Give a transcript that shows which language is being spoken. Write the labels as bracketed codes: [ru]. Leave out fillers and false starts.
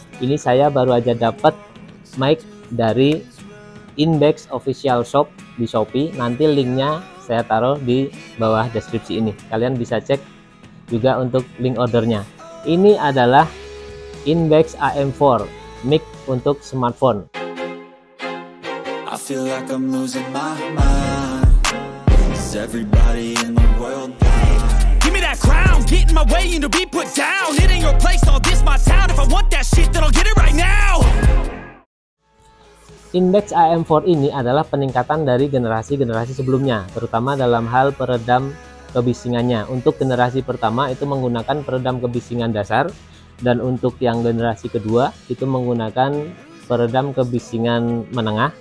[id] Ini saya baru aja dapat mic dari Inbex Official Shop di Shopee. Nanti linknya saya taruh di bawah deskripsi ini. Kalian bisa cek juga untuk link ordernya. Ini adalah Inbex AM4 mic untuk smartphone. [en] I feel like I'm losing my mind. Is everybody in the world blind? Give me that crown, get in my way and to be put down. It ain't your place, all this my town. If I want that shit, then I'll get it right now. [id] Inbex AM4 ini adalah peningkatan dari generasi-generasi sebelumnya, terutama dalam hal peredam kebisingannya. Untuk generasi pertama itu menggunakan peredam kebisingan dasar, dan untuk yang generasi kedua itu menggunakan peredam kebisingan menengah.